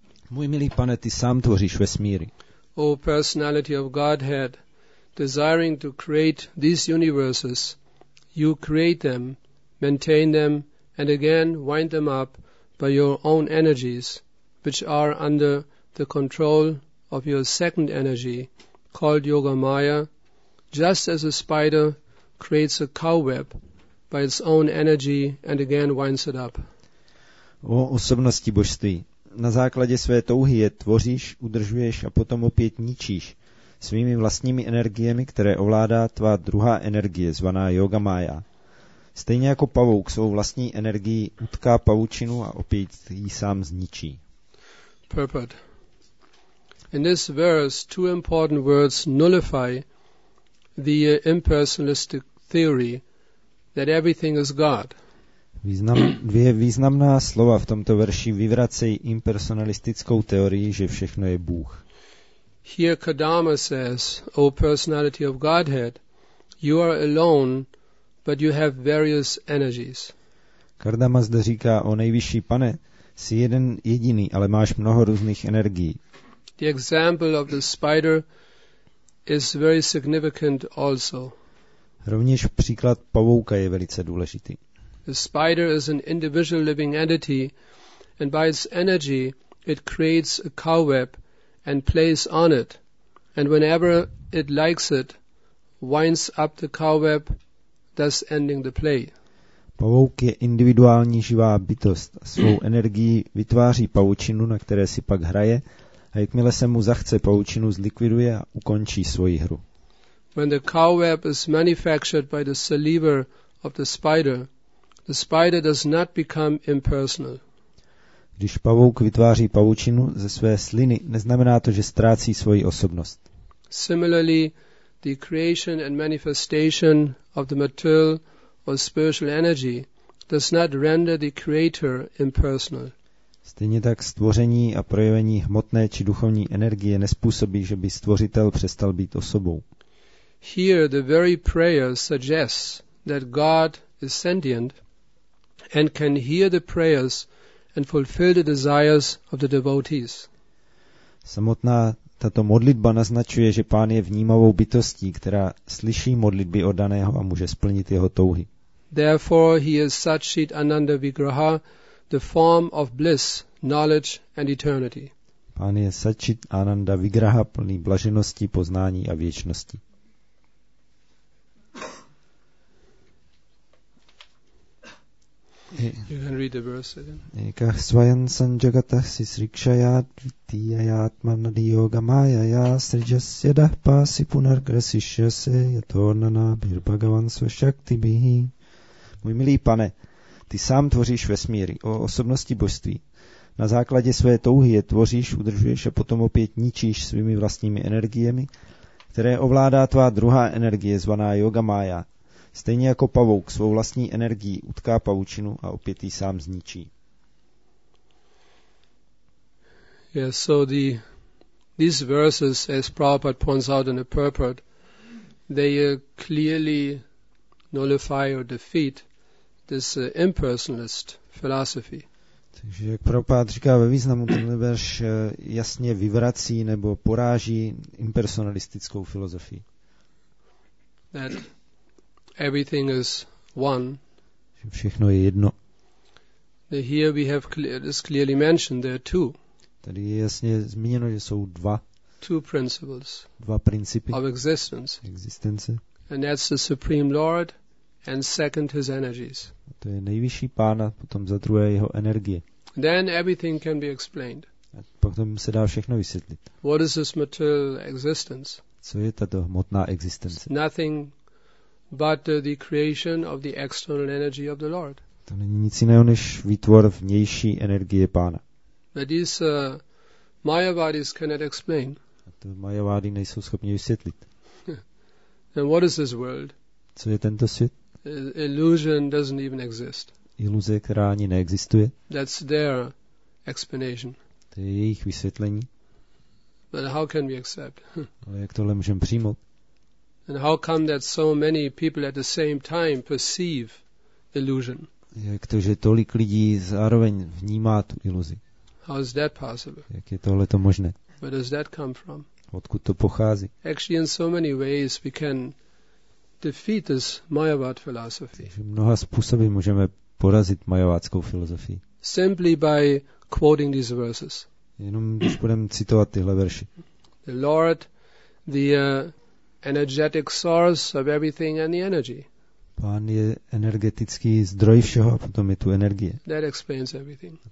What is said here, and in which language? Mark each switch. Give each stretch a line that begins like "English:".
Czech: Můj milý pane, ty sám tvoříš vesmíry.
English: O personality of Godhead, desiring to create these universes, you create them, maintain them, and again wind them up by your own energies, which are under the control of your second energy, called Yoga Maya, just as a spider creates a cobweb by its own energy and again winds it up.
Czech: O osobnosti božství, na základě své touhy je tvoříš, udržuješ a potom opět ničíš svými vlastními energiemi, které ovládá tvá druhá energie, zvaná Yoga Maya. Stejně jako pavouk svou vlastní energii utká pavučinu a opět ji sám zničí.
English: Purport. In this verse, two important words nullify the impersonalistic theory that everything is God.
Czech: Dvě významná slova v tomto verši vyvracejí impersonalistickou teorii, že všechno je Bůh.
English: Here Kadama says, O personality of Godhead, you are alone, but you have various energies.
Czech: Kardama zde říká, o nejvyšší pane, jsi jeden jediný, ale máš mnoho různých energií.
English: The example of the spider is very significant also.
Czech: Rovněž příklad pavouka je velice důležitý.
English: The spider is an individual living entity and by its energy it creates a cobweb and plays on it and whenever it likes it winds up the cowweb, thus ending the play.
Czech: Pavouk je individuální živá bytost. Svou energií vytváří pavučinu, na které si pak hraje, a jakmile se mu zachce, pavučinu zlikviduje a ukončí svoji hru.
English: When the cowweb is manufactured by the saliva of the spider does not become impersonal.
Czech: Když pavouk vytváří pavučinu ze své sliny, neznamená to, že ztrácí svoji osobnost.
English: Similarly, the creation and manifestation of the material or spiritual energy does not render the creator impersonal.
Czech: Stejně tak stvoření a projevení hmotné či duchovní energie nespůsobí, že by stvořitel přestal být osobou.
English: Here the very prayer suggests that God is sentient and can hear the prayers and fulfill the desires of the devotees.
Czech: Samotná tato modlitba naznačuje, že Pán je vnímavou bytostí, která slyší modlitby oddaného a může splnit jeho touhy.
English: Therefore he is Satchit Ananda Vigraha, the form of bliss, knowledge and eternity.
Czech: Pán je Satchit Ananda Vigraha, plný blaženosti, poznání a věčnosti.
English: You can read the verse again.
Sanskrit: Eka svayan sanjagatah sisrikshaya dvitiyayatmana diyoga mayaya srijasya dahpasi punargrasishyase yatornana bir bhagavan svashakti bihi.
Czech: Můj milý pane, ty sám tvoříš vesmíry o osobnosti božství. Na základě své touhy je tvoříš, udržuješ a potom opět ničíš svými vlastními energiemi, které ovládá tvá druhá energie zvaná yoga maya. Stejně jako pavouk svou vlastní energií utká pavučinu a opět ji sám zničí.
English: Yes, so these verses, as Prabhupada points out in the purport, they clearly nullify or defeat this impersonalist philosophy.
Czech: Takže jak Prabhupada říká ve významu, tenhle verš jasně vyvrací nebo poráží impersonalistickou filozofii.
English: That everything is one.
Czech: Všechno je jedno.
English: Here we have is clearly mentioned there are two.
Czech: Tady je jasně zmíněno, že jsou dva.
English: Two principles.
Czech: Dva principy.
English: Of existence.
Czech: Existence.
English: And that's the Supreme Lord, and second his energies.
Czech: A to je nejvyšší pán a potom za druhé jeho energie.
English: Then everything can be explained.
Czech: A potom se dá všechno vysvětlit.
English: What is this material existence?
Czech: Co je tato hmotná existence?
English: Nothing but the creation of the external energy of the Lord.
Czech: To není nic jiného než výtvor vnější energie Pána.
English: But these Mayavadis cannot explain.
Czech: A to Mayavadi nejsou schopni vysvětlit.
English: And what is this world?
Czech: Co je tento svět?
English: Illusion doesn't even exist.
Czech: Iluze, která ani neexistuje.
English: That's their explanation.
Czech: To je jejich vysvětlení.
English: But how can we accept?
Czech: Ale jak tohle můžeme přijmout?
English: And how come that so many people at the same time perceive illusion?
Czech: Jak to, že tolik lidí zároveň vnímá tu iluzi?
English: How is that possible?
Czech: Jak je tohle to možné?
English: Where does that come from?
Czech: Odkud to pochází?
English: Actually, in so many ways we can defeat this Mayavad philosophy.
Czech: Mnoha způsoby můžeme porazit mayavádskou filozofii.
English: Simply by quoting these verses.
Czech: Jenom když budeme citovat tyhle verši.
English: The Lord, energetic source of everything and the energy.
Czech: Pán je energetický zdroj všeho a potom je tu energie.
English: That explains everything.